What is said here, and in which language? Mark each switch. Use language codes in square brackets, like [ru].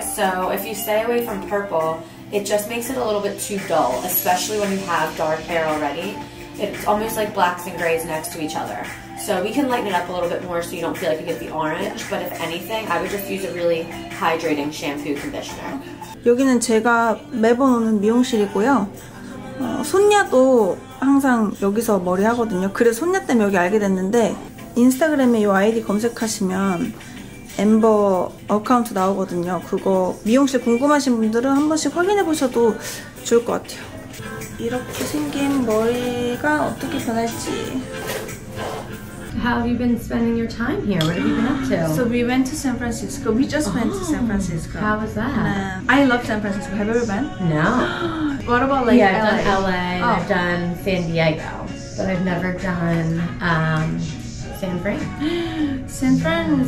[en] So if you stay away from purple, it just makes it a little bit too dull, especially when you have dark hair already. It's almost like blacks and grays next to each other. So we can lighten it up a little bit more so you don't feel like you get the orange. Yeah. But if anything, I would just use a really hydrating shampoo conditioner. [ko] 여기는 제가 매번 오는 미용실이고요. 손녀도 항상 여기서 머리 하거든요. 그래서 손녀 때문에 여기 알게 됐는데 인스타그램에 이 아이디 검색하시면 엠버 어카운트 나오거든요. 그거 미용실 궁금하신 분들은 한 번씩 확인해 보셔도 좋을 것 같아요. 이렇게 생긴 머리가 어떻게 변할지. [en] How have you been spending your time here? What have you been up to? So we went to San Francisco. We just went to San Francisco. How was that? I love San Francisco. Have you ever been? No. What about like yeah, Yeah, I've done LA and I've done San Diego. But I've never done San Fran.